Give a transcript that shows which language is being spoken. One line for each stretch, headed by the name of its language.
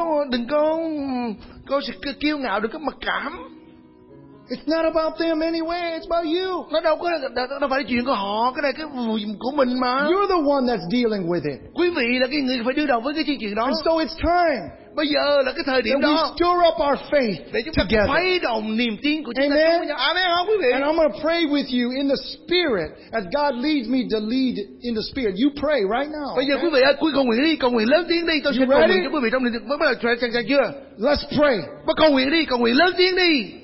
Vietnamese: Đừng có kiêu ngạo, đừng có mặc cảm.
English: It's not about them anyway, it's about you.
Vietnamese: Nó đâu có nó phải chuyện của họ, cái này cái của mình mà.
English: You're the one that's dealing with it.
Vietnamese: Quý vị là cái người phải đương đầu với cái chuyện đó.
English: And so it's time.
Vietnamese: Bây giờ là cái thời điểm
English: that
Vietnamese: đó.
English: We stir up our faith
Vietnamese: để chúng
English: together.
Vietnamese: Ta khuấy động niềm tin của chúng Amen. Ta chung với nhau. Amen không, quý vị?
English: And I'm going to pray with you in the spirit as God leads me to lead in the spirit. You pray right now.
Vietnamese: Bây giờ quý vị ơi, quý cầu nguyện đi, cầu nguyện lớn tiếng đi. Tôi sẽ cầu nguyện cho quý vị trong niềm tin. Bắt đầu chờ chờ chưa?
English: Let's pray.
Vietnamese: Bắt cầu nguyện đi, cầu nguyện lớn tiếng đi.